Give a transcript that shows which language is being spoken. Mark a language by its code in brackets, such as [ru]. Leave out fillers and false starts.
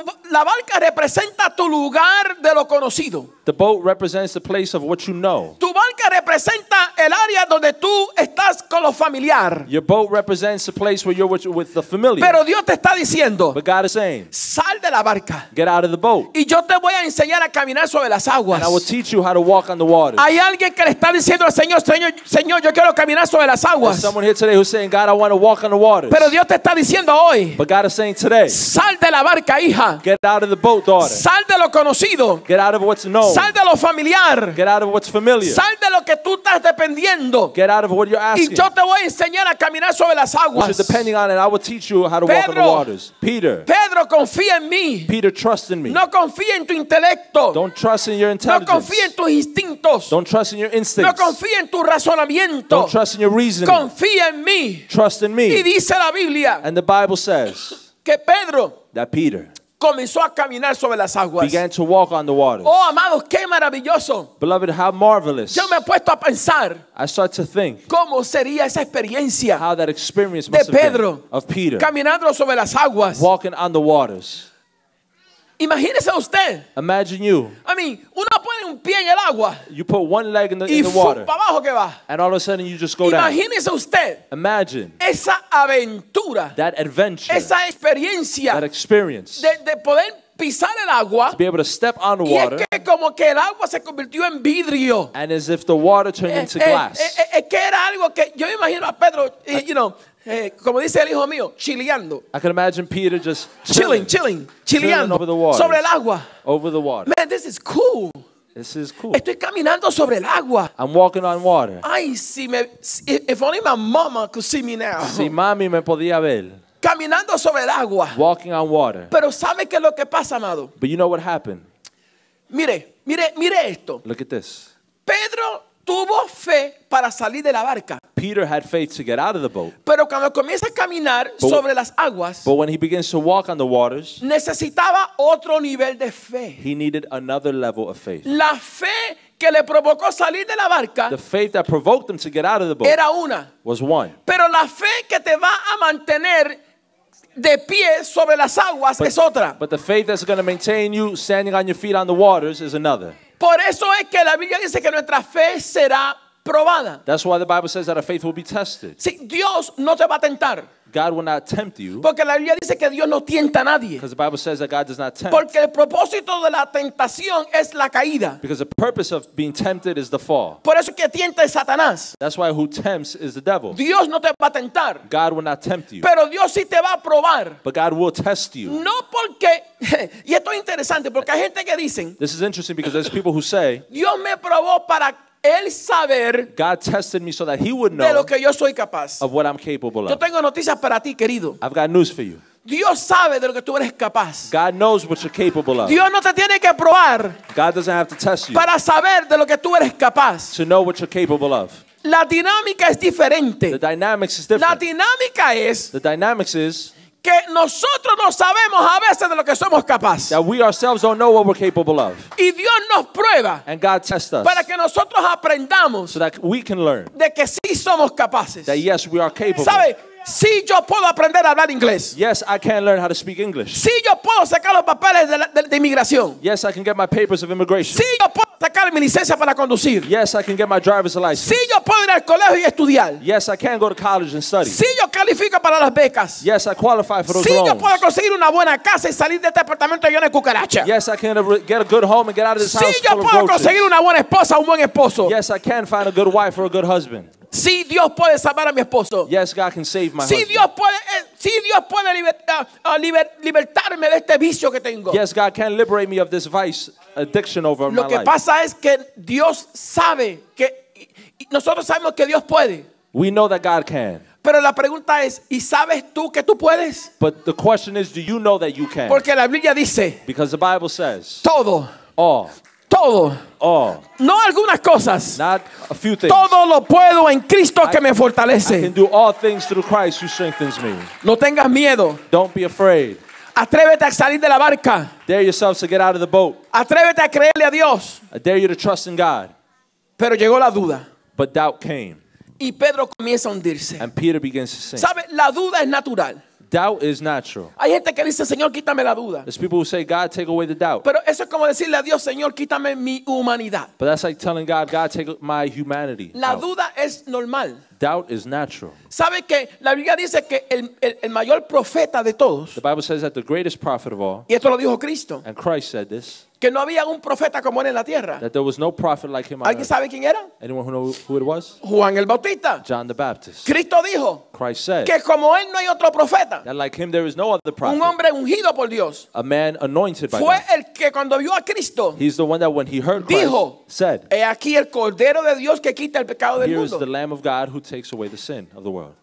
[es] La barca representa tu lugar de lo conocido. [en] The boat represents the place of what you know. [es] Tu barca representa el área donde tú estás con lo familiar. [en] Your boat represents the place where you're with the familiar. [es] Pero Dios te está diciendo, [en] but God is saying, [es] sal de la barca. [en] Get out of the boat. [es] Y yo te voy a enseñar a caminar sobre las aguas. [en] And I will teach you how to walk on the waters. [es] Hay alguien que le está diciendo al Señor, yo quiero caminar sobre las aguas. [en] There's someone here today who's saying, God, I want to walk on the waters. [es] Pero Dios te está diciendo hoy, [en] but God is saying today, [es] sal de la barca, hija. [en] Get out of the boat, daughter. [es] Sal de lo conocido. [en] Get out of what's known. [es] Sal de lo familiar. [en] Get out of what's familiar. [es] Sal de lo que tú estás dependiendo. [en] Get out of what you're asking. [es] Y yo te voy a enseñar a caminar sobre las aguas. [en] Which is depending on it, I will teach you how to walk on the waters. Peter. [es] Pedro, confía en mí. [en] Peter, trust in me. [es] No confía en tu intelecto. [en] Don't trust in your intelligence. [es] No confía en tus instintos. [en] Don't trust in your instincts. [es] No confía en tu razonamiento. [en] Don't trust in your reasoning. [es] Confía en mí. [en] Trust in me. [es] Y dice la Biblia. [en] And the Bible says. [es] Que Pedro. [en] That Peter. [es] Comenzó a caminar sobre las aguas. [en] Began to walk on the waters. [es] Oh, amados, qué maravilloso. [en] Beloved, how marvelous. [es] Yo me he puesto a pensar. [en] I start to think. [es] ¿Cómo sería esa experiencia? [en] How that experience [es] de Pedro. [en] Of Peter. [es] Caminando sobre las aguas. [en] Walking on the waters. [es] Imagínese usted. [en] Imagine you. I mean, [es] uno pone un pie en el agua. [en] You put one leg in the water. [es] Y para abajo que va. [en] And all of a sudden you just go [es] imagínese [en] down. [es] Imagínese usted. [en] Imagine. [es] Esa aventura. [en] That adventure. [es] Esa experiencia. [en] That experience. [es] De poder pisar el agua. [en] To be able to step on the water. [es] Y es que como que el agua se convirtió en vidrio. [en] And as if the water turned into glass. [es] Es que era algo que yo imagino a Pedro, [en] you know. [es] Como dice el hijo mío, chileando. [en] I can imagine Peter just chilling over the water. [es] Sobre el agua. [en] Over the water. Man, this is cool. This is cool. [es] Estoy caminando sobre el agua. [en] I'm walking on water. [es] Ay, si me, [en] if only my mama could see me now. [es] Si mami me podía ver. Caminando sobre el agua. [en] Walking on water. [es] Pero ¿sabe qué es lo que pasa, amado? [en] But you know what happened. [es] Mire esto. [en] Look at this. [es] Pedro tuvo fe para salir de la barca. [en] Peter had faith to get out of the boat. [es] Pero cuando comienza a caminar sobre las aguas, [en] but when he begins to walk on the waters, [es] necesitaba otro nivel de fe. [en] He needed another level of faith. [es] La fe que le provocó salir de la barca, [en] the faith that provoked him to get out of the boat, [es] era una. [en] Was one. [es] Pero la fe que te va a mantener de pie sobre las aguas es otra. [en] But the faith that's going to maintain you standing on your feet on the waters is another. [es] Por eso es que la Biblia dice que nuestra fe será probada. [en] That's why the Bible says that our faith will be tested. [es] Sí, Dios no te va a tentar. [en] God will not tempt you. [es] Porque la Biblia dice que Dios no tienta a nadie. [en] Because the Bible says that God does not tempt. [es] Porque el propósito de la tentación es la caída. [en] Because the purpose of being tempted is the fall. [es] Por eso que tienta es Satanás. [en] That's why who tempts is the devil. [es] Dios no te va a tentar. [en] God will not tempt you. [es] Pero Dios sí te va a probar. [en] But God will test you. [es] No porque y esto es interesante porque hay gente que dicen, [en] this is interesting because there's people who say, [es] Dios me probó para él saber, [en] God tested me so that he would know, [es] de lo que yo soy capaz, [en] of what I'm capable of. [es] Yo tengo noticias para ti, querido. [en] I've got news for you. [es] Dios sabe de lo que tú eres capaz. [en] God knows what you're capable of. [es] Dios no te tiene que probar, [en] God doesn't have to test you, [es] para saber de lo que tú eres capaz, [en] to know what you're capable of. [es] La dinámica es diferente. [en] The dynamics is different. [es] La dinámica es, [en] the dynamics is, [es] que nosotros no sabemos a veces de lo que somos capaces. [en] That we ourselves don't know what we're capable of. [es] Y Dios nos prueba. [en] And God tests us. [es] Para que nosotros aprendamos. [en] So that we can learn. [es] De que sí somos capaces. [en] That yes, we are capable. [es] ¿Sabe? Sí, yo puedo aprender a hablar inglés. [en] Yes, I can learn how to speak English. [es] Sí, yo puedo sacar los papeles de inmigración. [en] Yes, I can get my papers of immigration. [es] Sí, yo puedo sacar mi licencia para conducir. [en] Yes, I can get my driver's license. [es] Sí, yo puedo ir al colegio y estudiar. [en] Yes, I can go to college and study. [es] Sí, yo califico para las becas. [en] Yes, I qualify for those [es] sí, [en] loans. [es] Sí, yo puedo conseguir una buena casa y salir de este apartamento lleno de cucarachas. [en] Yes, I can get a good home and get out of this [es] sí, [en] house full of roaches. [es] Sí, yo puedo conseguir una buena esposa, un buen esposo. [en] Yes, I can find a good wife or a good husband. [es] Sí, Dios puede salvar a mi esposo. [en] Yes, God can save my [es] sí, [en] husband. [es] Dios puede, sí, Dios puede libertarme de este vicio que tengo. [en] Yes, God can liberate me of this vice addiction over my [es] life. Lo que pasa es que Dios sabe que nosotros sabemos que Dios puede. [en] We know that God can. [es] Pero la pregunta es, ¿y sabes tú que tú puedes? [en] But the question is, do you know that you can? [es] Porque la Biblia dice. [en] Because the Bible says. [es] Todo. [en] All. [es] Todo. Oh. No algunas cosas. [en] Not a few things. [es] Todo lo puedo en Cristo que me fortalece. [en] I can do all things through Christ who strengthens me. [es] No tengas miedo. [en] Don't be afraid. [es] Atrévete a salir de la barca. [en] Dare yourselves to get out of the boat. [es] Atrévete a creerle a Dios. [en] I dare you to trust in God. [es] Pero llegó la duda. [en] But doubt came. [es] Y Pedro comienza a hundirse. [en] And Peter begins to sink. [es] ¿Sabe? La duda es natural. [en] Doubt is natural. [es] Hay gente que dice, Señor, quítame la duda. [en] There's people who say, God, take away the doubt. [es] Pero eso es como decirle a Dios, Señor, quítame mi humanidad. [en] But that's like telling God, God, take my humanity. [es] La [en] out. [es] Duda es normal. [en] Doubt is natural. [es] ¿Sabe que la Biblia dice que el mayor profeta de todos? [en] The Bible says that the greatest prophet of all. [es] Y esto lo dijo Cristo. [en] And Christ said this. [es] Que no había un profeta como él en la tierra. [en] That there was no prophet like him on [es] earth. ¿Alguien sabe quién era? [en] Anyone who knows who it was? [es] Juan el Bautista. [en] John the Baptist. [es] Cristo dijo. [en] Christ said. [es] Que como él no hay otro profeta. [en] That like him there is no other prophet. [es] Un hombre ungido por Dios. [en] A man anointed by God. [es] Fue el que cuando vio a Cristo. [en] He's the one that when he heard Christ. [es] Dijo. [en] Said. [es] He aquí el Cordero de Dios que quita el pecado del mundo. [en] Here is the Lamb of God who takes away the sin of the world.